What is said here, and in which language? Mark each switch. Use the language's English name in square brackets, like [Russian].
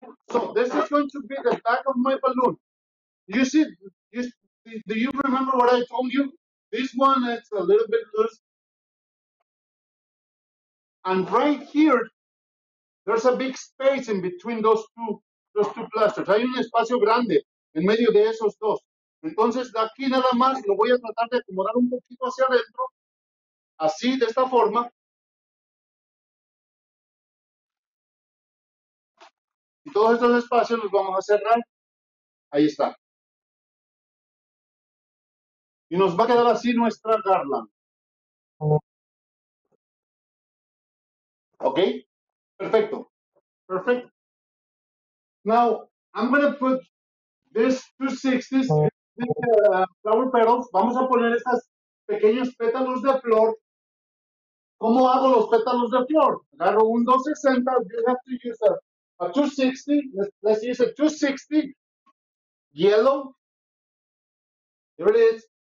[English] So this is going to be the back of my balloon. You see, do you remember what I told you? This one is a little bit loose. And right here, there's a big space in between those two clusters. [Spanish] Hay un espacio grande en medio de esos dos. Entonces, de aquí nada más lo voy a tratar de acomodar un poquito hacia adentro. Así, de esta forma. Y todos estos espacios los vamos a cerrar. Ahí está. Y nos va a quedar así nuestra garland. [English] Okay. Perfecto. Perfect. Now, I'm going to put this 260s flower petals. [Spanish] Vamos a poner estas pequeños pétalos de flor. ¿Cómo hago los pétalos de flor? Agarro un 260. [English] You have to use a 260, [Spanish] let's use a 260, [English] yellow. There it is.